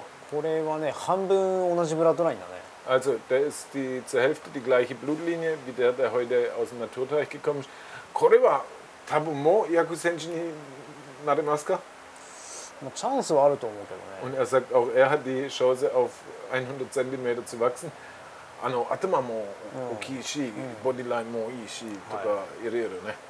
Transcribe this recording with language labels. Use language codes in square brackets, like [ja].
[ja] これはね、半分同じブラッドラインだね。 [de] Also, der ist die zur Hälfte die gleiche Blutlinie wie der, der heute aus dem Naturteich gekommen ist. [ja] これは多分もう100センチになれますか？まあ、チャンスはあると思うけどね。 [de] Und er sagt auch, er hat die Chance auf 100 cm zu wachsen. [ja] あの、頭も大きいし、ボディラインもいいし、とかいろいろね。